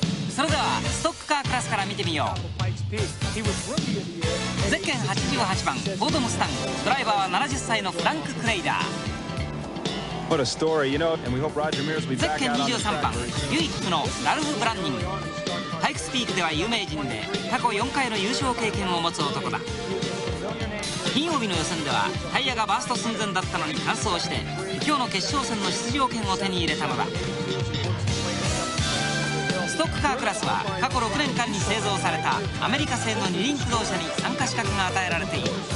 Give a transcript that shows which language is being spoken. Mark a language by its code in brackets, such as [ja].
[ja] それではストックカークラスから見てみよう。ゼッケン88番フォードムスタング、ドライバーは70歳のフランク・クレイダー。 [en] What a story, you know, and we hope Roger Mears will be back out on the track very soon. [ja] ユイックのラルフ・ブランニング。パイクスピークでは有名人で、過去4回の優勝経験を持つ男だ。金曜日の予選ではタイヤがバースト寸前だったのに完走して、今日の決勝戦の出場権を手に入れたのだ。ストックカークラスは過去6年間に製造されたアメリカ製の二輪駆動車に参加資格が与えられている。